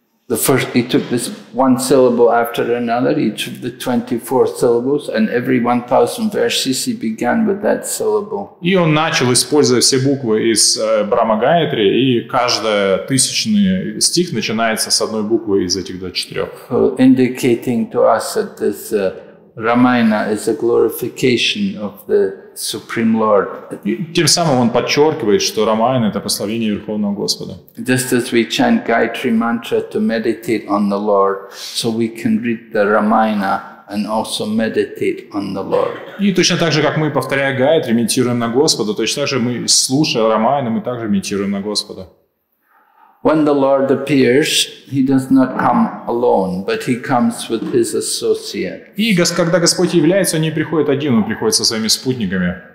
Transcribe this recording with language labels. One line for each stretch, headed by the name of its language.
English: So he took this one syllable after another, each of the 24 syllables, and every 1,000 verses he began with that syllable.
Russian: И он начал, используя все буквы из Брахма Гаятри, и каждый тысячный стих начинается с одной буквы из этих 24.
English: So indicating to us that this Ramayana is a glorification of the Supreme Lord.
Russian: Тем самым он подчеркивает, что Рамаяна — это прославление Верховного Господа.
English: Just as we chant Gayatri mantra to meditate on the Lord, so we can read the Ramayana and also meditate on the Lord.
Russian: И точно так же, как мы, повторяя Гайатри, медитируем на Господа, точно так же мы, слушая Рамаяну, мы также медитируем на Господа.
English: When the Lord appears, he does not come alone, but he comes with his associate.
Russian: И когда Господь является, он не приходит один, он приходит со своими спутниками.